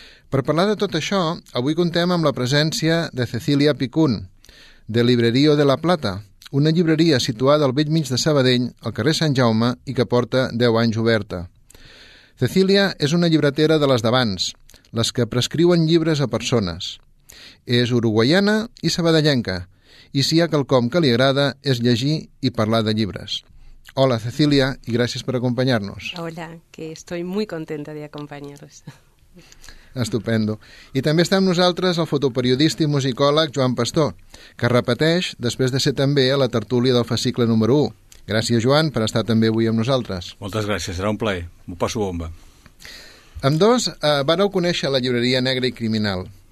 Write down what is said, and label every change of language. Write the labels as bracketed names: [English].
[Catalan] Per parlar de tot això, avui contem amb la presència de Cecília Picún, de Librerío de la Plata, una llibreria situada al vell mig de Sabadell, al carrer Sant Jaume, i que porta 10 anys oberta. Cecília és una llibretera de les d'abans, les que prescriuen llibres a persones. És uruguaiana i sabadellenca, i si hi ha quelcom que li agrada és llegir i parlar de llibres. Hola, Cecília, i gràcies per acompanyar-nos. [Spanish] Hola, que estoy muy contenta de acompañaros. Estupendo. [Catalan] I també està amb nosaltres el fotoperiodista i musicòleg Joan Pastor, que repeteix després de ser també a la tertúlia del fascicle número 1. Gràcies, Joan, per estar també avui amb nosaltres. Moltes gràcies, serà un plaer. M'ho passo bomba. Amb dos, vareu conèixer la llibreria Negra i Criminal.